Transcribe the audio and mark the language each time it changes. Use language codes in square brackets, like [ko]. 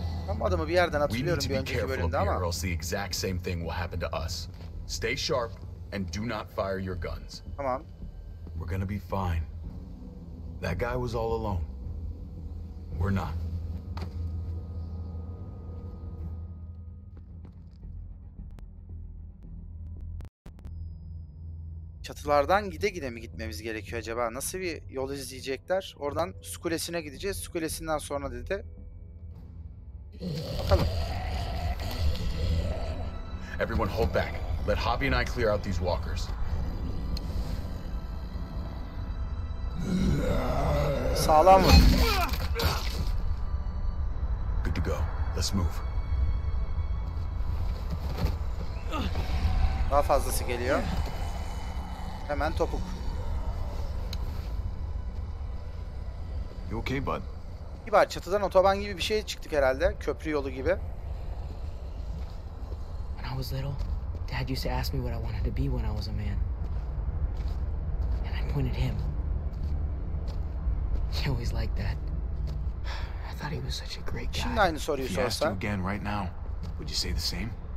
[tr] Ama adamı bir yerden hatırlıyorum bir önceki bölümde ama. [en] Or else the exact same thing will happen to us. Stay sharp and do not fire your guns. [tr] Tamam. [en] We're gonna be fine. That guy was all alone. We're not. [tr] Çatılardan gide gide mi gitmemiz gerekiyor acaba? Nasıl bir yol izleyecekler? Oradan su kulesine gideceğiz. Su kulesinden sonra dedi. Bakalım. [en] Everyone hold back. Let Javi and I clear out these walkers. [tr] Sağlam mı? [en] Good to go. Let's move. [tr] Daha fazlası geliyor. Hemen topuk. [en] You okay, bud? [tr] Bir bari çatıdan otoban gibi bir şey çıktık herhalde. Köprü yolu gibi. [en] When I was little, Dad used to ask me what I wanted to be when I was a man. And I pointed him. He always liked that. I thought he was such a great guy. [tr] Şimdi aynı soruyu sorsa. [en] If he asked you again right now, would you say the same?